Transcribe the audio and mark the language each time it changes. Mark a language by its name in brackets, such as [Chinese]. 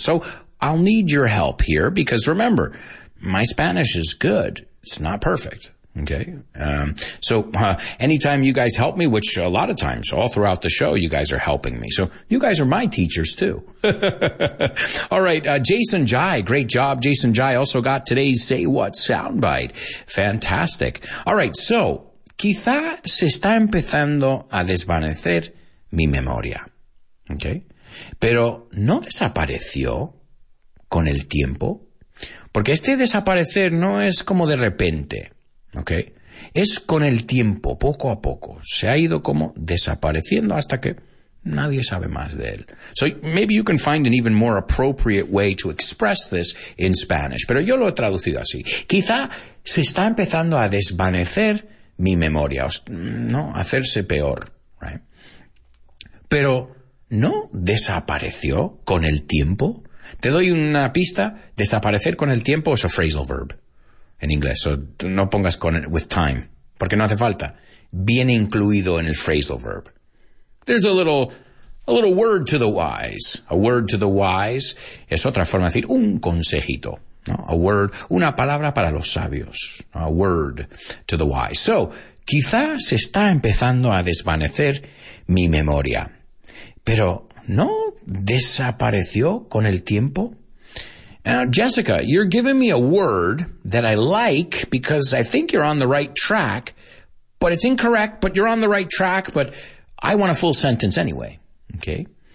[English] So I'll need your help here, because remember, my Spanish is good. It's not perfect. Okay. Anytime you guys help me, which a lot of times all throughout the show, you guys are helping me. So you guys are my teachers too. All right. Jason Jai. Great job. Jason Jai also got today's Say What soundbite. Fantastic. All right. [Spanish] So quizá se está empezando a desvanecer mi memoria. Okay. Pero no desapareció con el tiempo. Porque este desaparecer no es como de repente. Okay. Es con el tiempo, poco a poco. Se ha ido como desapareciendo hasta que nadie sabe más de él. [English] So maybe you can find an even more appropriate way to express this in Spanish. [Spanish] Pero yo lo he traducido así. Quizá se está empezando a desvanecer mi memoria. No, hacerse peor. Right? Pero no desapareció con el tiempo. Te doy una pista. Desaparecer con el tiempo es [English] a phrasal verb. [Spanish] En inglés, [English] so [Spanish] no pongas con [English] it with time, [Spanish] porque no hace falta. Viene incluido en el [English] phrasal verb. There's a little word to the wise. A word to the wise [Spanish] es otra forma de decir un consejito, ¿no? [English] A word, [Spanish] una palabra para los sabios. [English] A word to the wise. [Spanish] So, quizás está empezando a desvanecer mi memoria, pero ¿no desapareció con el tiempo? [English] Now, Jessica, you're giving me a word that I like because I think you're on the right track, but it's incorrect, but you're on the right track, but I want a full sentence anyway, okay?